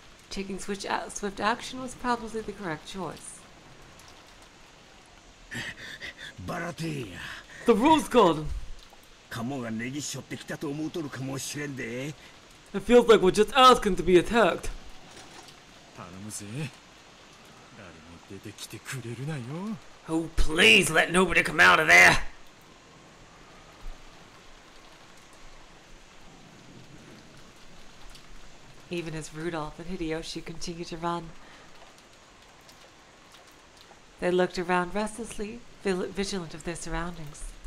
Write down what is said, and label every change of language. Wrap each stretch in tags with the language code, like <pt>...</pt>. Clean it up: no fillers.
<en>Taking swift action was probably the correct choice. Baratia! The rose garden!</en> <ja>Kamo ga negi shotte kita to omou toru kamo shiren de.</ja> <en>It feels like we're just asking to be attacked.</en> <ja>頼むぜ。誰も出てきてくれるなよ。</ja> <en>Oh, please let nobody come out of there! even as Rudolph and Hideyoshi continued to run. They looked around restlessly, vigilant of their surroundings.</en>